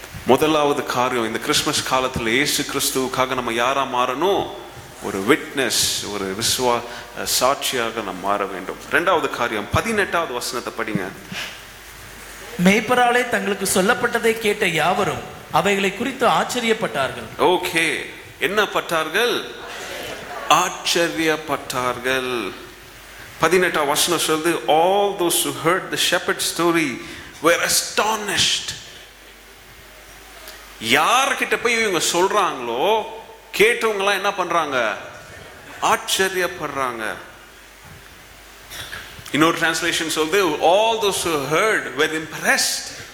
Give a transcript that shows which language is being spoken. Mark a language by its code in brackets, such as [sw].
[ta] முதலாவது காரியம், இந்த கிறிஸ்மஸ் காலத்தில் இயேசு கிறிஸ்துவுக்காக நம்ம யாரா மாறணும், ஒரு விட்னஸ், ஒரு விசுவா சாட்சியாக நாம் மாற வேண்டும். இரண்டாவது காரியம், 18th வசனத்தை படிங்க. மேய்ப்பராலே தங்களுக்கு சொல்லப்பட்டதை கேட்ட யாவரும் அவைகளை குறித்து ஆச்சரியப்பட்டார்கள். ஓகே, என்ன பட்டார்கள், ஆச்சரியப்பட்டார்கள். 18th வசனம் சொல்லுது, [en] all those who heard the shepherd's story were astonished. [ta] யார்கிட்ட போய் இவங்க சொல்றாங்களோ கேட்டவங்களாம் என்ன பண்றாங்க, ஆச்சரியப்படுறாங்க. இன்னொரு டிரான்ஸ்லேஷன் சொல்லுது, [en] all those who heard were impressed.